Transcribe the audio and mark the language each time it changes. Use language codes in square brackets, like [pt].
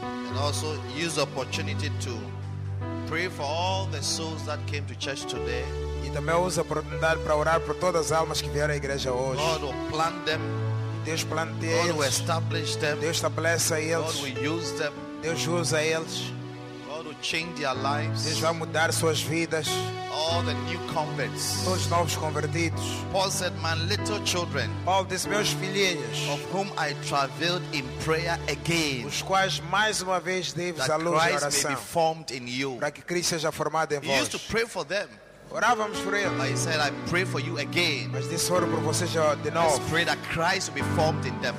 [en] And also use the opportunity to pray for all the souls that came to church today. [pt] E também use a oportunidade para orar por todas as almas que vieram à igreja hoje. [en] God will plant them. [pt] Deus plante eles. [en] God will establish them. [pt] Deus estabelece eles. [en] God will use them. [pt] Deus usa eles. [en] God will change their lives. [pt] Deus vai mudar suas vidas. [en] All the new converts. [pt] Todos os novos convertidos. [en] Paul said, "My little children." [pt] Paulo disse, meus filhinhos. [en] Of whom I traveled in prayer again. [pt] Os quais mais uma vez dei-vos a luz da oração. [en] That Christ may be formed in you. [pt] Para que Cristo seja formado em vós. [en] He used to pray for them. [pt] Orávamos por eles. [en] But he said, "I pray for you again." [pt] Mas disse, oro por vocês de novo. [en] Let's pray that Christ will be formed in them.